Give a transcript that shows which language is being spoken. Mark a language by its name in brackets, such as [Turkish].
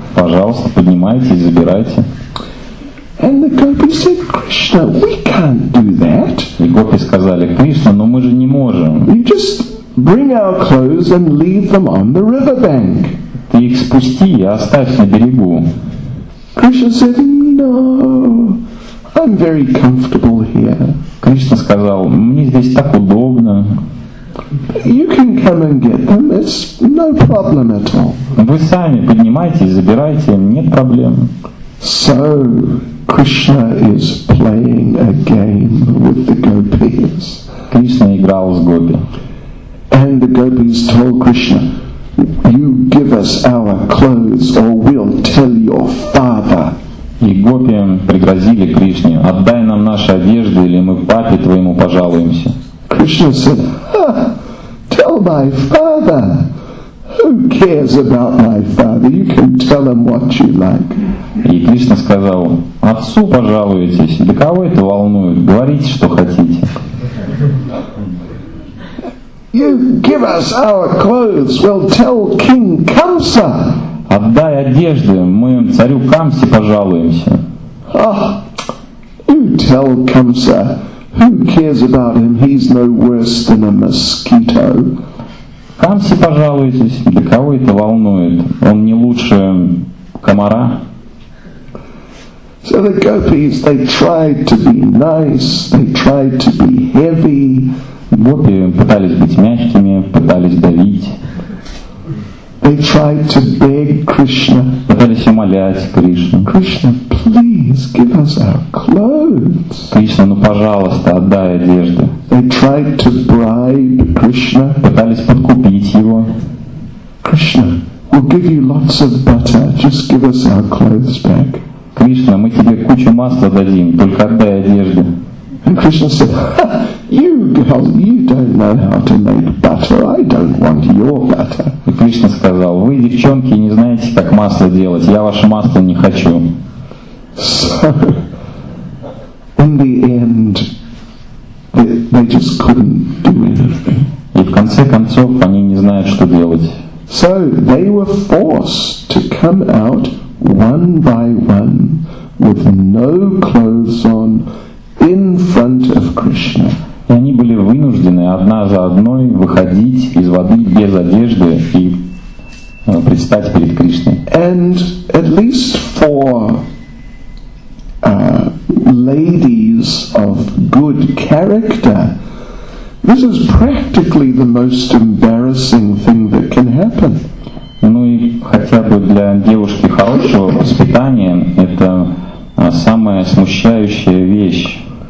[Russian] Пожалуйста, поднимайтесь, забирайте. [English] And the gopis said, Krishna, we can't do that. [Russian] И гопи сказали, Кришна, но мы же не можем. [English] You just bring our clothes and leave them on the riverbank. [Russian] Ты их спусти и оставь на берегу. [English] Krishna said, no, I'm very comfortable here. [Russian] Кришна сказал, мне здесь так удобно. [English] You can come and get them, it's no problem at all. [Russian] Вы сами поднимайтесь, забирайте, нет проблем. [English] So, Krishna is playing a game with the gopis. [Russian] Кришна играл с гопи. [English] And the gopis told Krishna, you give us our clothes or we'll tell your father. [Russian] И гопи пригрозили Кришне, отдай нам наши одежды, или мы папе твоему пожалуемся. [English] Krishna said, tell my father. Who cares about my father? You can tell him what you like. [Russian] И Кришна сказал, отцу пожалуйтесь, для кого это волнует? Говорите, что хотите. [English] You give us our clothes, we'll tell King Kamsa. [Russian] Отдай одежды, мы царю Камсе пожалуемся. [English] Oh, you tell Kamsa. Who cares about him? He's no worse than a mosquito. [Russian] Камсе пожалуйтесь, для кого это волнует? Он не лучше комара. [English] So the gopis, they tried to be nice, they tried to be heavy. [Russian] Гопи пытались быть мягкими, пытались давить. [English] They tried to beg Krishna. [Russian] Пытались умолять Кришну. [English] Krishna, please give us our clothes. [Russian] Кришна, ну пожалуйста, отдай одежды. [English] They tried to bribe Krishna. [Russian] Пытались подкупить его. [English] Krishna, we'll give you lots of butter, just give us our clothes back. [Russian] Кришна, мы тебе кучу масла дадим, только отдай одежды. [English] And Krishna said, you girl, you don't know how to make butter, I don't want your butter. [Russian] И Кришна сказал, вы, девчонки, не знаете, как масло делать, я ваше масло не хочу. [English] So, in the end, they just couldn't do anything. [Russian] И в конце концов, они не знают, что делать. [English] So, they were forced to come out one by one with no clothes on in front of Krishna. [Russian] И они были вынуждены одна за одной выходить из воды без одежды и предстать перед Кришной. [English] And at least four ladies of good character, this is practically the most embarrassing thing that can happen. [Russian] Ну и хотя бы для девушки хорошего воспитания это самая смущающая вещь.